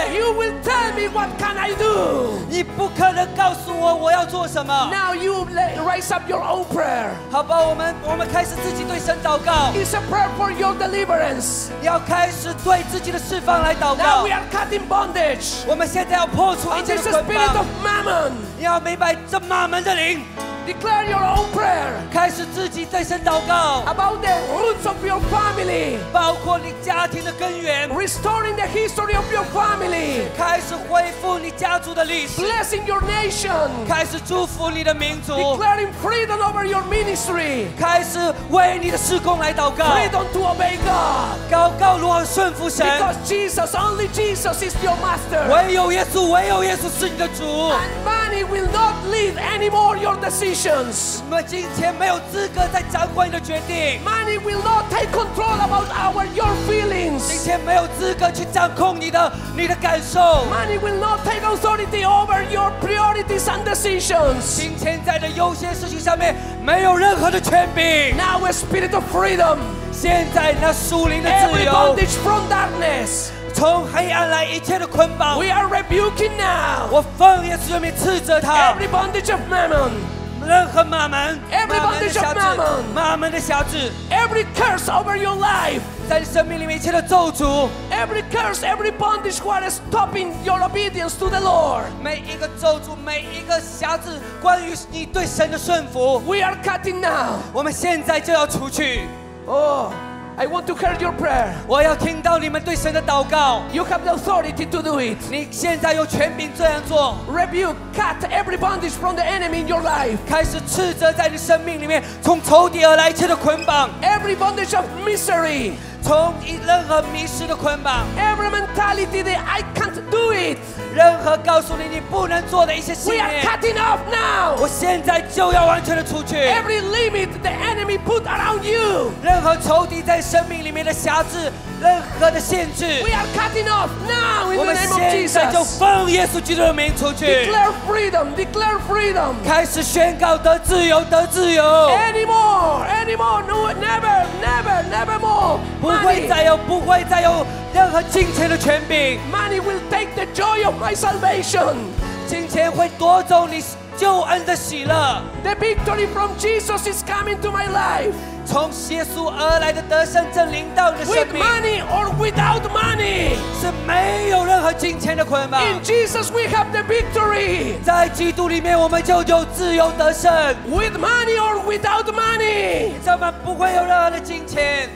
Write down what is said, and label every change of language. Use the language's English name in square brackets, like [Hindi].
[English] You will tell me what can I do. [Chinese] 你不可能告诉我我要做什么 [English] Now you raise up your own prayer. [Chinese] 好吧我们开始自己对神祷告 [English] It's a prayer for your deliverance. [Chinese] 你要开始对自己的释放来祷告 [English] Now we are cutting bondage. [Chinese] 我们现在要破除一切的捆绑 [English] This is the spirit of mammon. [Chinese] 你要明白这马门的灵 [English] Declare your own prayer [Chinese] 开始自己对神祷告 [English] About the roots of your family [Chinese] 包括你家庭的根源 [English] Restoring the history of your family [Chinese] 开始恢复你家族的历史 [English] Blessing your nation [Chinese] 开始祝福你的民族 [English] Declaring freedom over your ministry [Chinese] 开始为你的事工来祷告 [English] Freedom to obey God [Chinese] 祷告如何顺服神 [English] Because Jesus, only Jesus is your master [Chinese] 唯有耶稣是你的主 [English] And money will not lead anymore your decisions. [Chinese] 金钱没有资格再掌管你的决定。 [English] Money will not take control about your feelings. [Chinese] 金钱没有资格去掌控你的感受。 [English] Money will not take authority over your priorities and decisions. [Chinese] 金钱在的优先事情上面没有任何的权柄。 [English] Now a spirit of freedom. [Chinese] 现在那属灵的自由。 [English] Every bondage from darkness. [Chinese] 从黑暗来一切的捆绑 [English] We are rebuking now [Chinese] 我奉耶稣的名斥责他 [English] Every bondage of mammon [Chinese] 任何马门 [English] Every bondage of mammon [Chinese] 马门的辖制 [English] Every curse over your life [Chinese] 在你生命里面一切的咒诅 [English] Every curse, every bondage what is stopping your obedience to the Lord [Chinese] 每一个咒诅每一个辖制关于你对神的顺服 [English] We are cutting now [Chinese] 我们现在就要除去 [English] Oh. I want to hear your prayer. [Chinese] 我要听到你们对神的祷告。 [English] You have the authority to do it. [Chinese] 你现在有权柄这样做。 [English] Rebuke, cut every bondage from the enemy in your life. [Chinese] 开始斥责在你生命里面从仇敌而来一切的捆绑。 [English] Every bondage of misery. [Chinese] 从任何迷失的捆绑。 [English] Every mentality that I can't do it. [Chinese] 任何告诉你你不能做的一些信念 [English] We are cutting off now [Chinese] 我现在就要完全的出去 [English] Every limit the enemy put around you [Chinese] 任何仇敌在生命里面的辖制任何的限制 [English] We are cutting off now in the name of Jesus [Chinese] 我们现在就奉耶稣基督的名出去 [English] Declare freedom, declare freedom [Chinese] 开始宣告得自由得自由 [English] Anymore, anymore, no, never, never, never more [Chinese] 不会再有不会再有任何金钱的权柄 [English] Money will take the joy of my salvation [Chinese] 金钱会夺走你救恩的喜乐 [English] The victory from Jesus is coming to my life [Chinese] 从耶稣而来的得胜正临到你的生命 [English] With money or without money [Chinese] 是没有任何金钱的捆绑 [English] In Jesus we have the victory [Chinese] 在基督里面我们就有自由得胜 [English] With money or without money [Chinese] 怎么不会有任何的金钱